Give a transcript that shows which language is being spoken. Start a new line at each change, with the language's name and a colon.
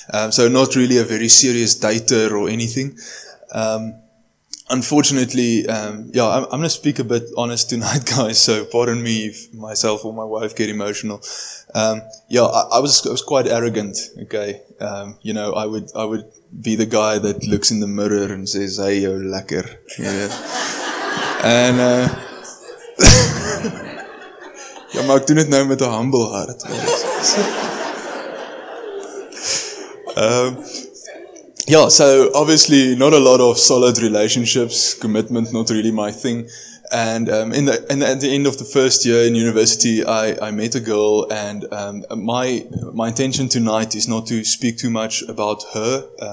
English: So not really a very serious dater or anything. Unfortunately, I'm going to speak a bit honest tonight, guys. So pardon me if myself or my wife get emotional. I was quite arrogant. Okay. I would be the guy that looks in the mirror and says, "Hey, yo, lekker." Yeah.
Afrikaans: And, ja, maar ek doen dit nou met 'n
English: humble heart. So obviously not a lot of solid relationships, commitment, not really my thing. And, at the end of the first year in university, I met a girl, and, my intention tonight is not to speak too much about her.